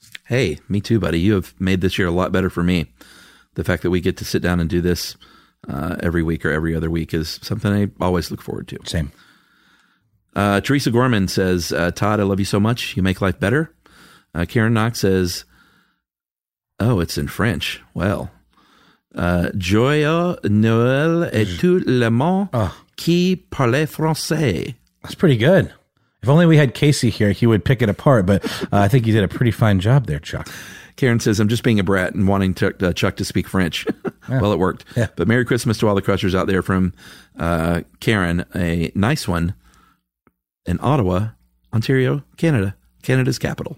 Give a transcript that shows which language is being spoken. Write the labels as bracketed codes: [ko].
[en] Hey, me too, buddy. You have made this year a lot better for me. The fact that we get to sit down and do this every week or every other week is something I always look forward to. Same. Teresa Gorman says, Todd, I love you so much. You make life better. Karen Knox says, oh, it's in French. Well, [fr] Joyeux Noël et tout le monde qui parle français. [en] That's pretty good. If only we had Casey here, he would pick it apart, but I think you did a pretty fine job there, Chuck. Karen says, I'm just being a brat and wanting to, Chuck to speak French. Yeah. Well, it worked. Yeah. But Merry Christmas to all the crushers out there from Karen, a nice one in Ottawa, Ontario, Canada, Canada's capital.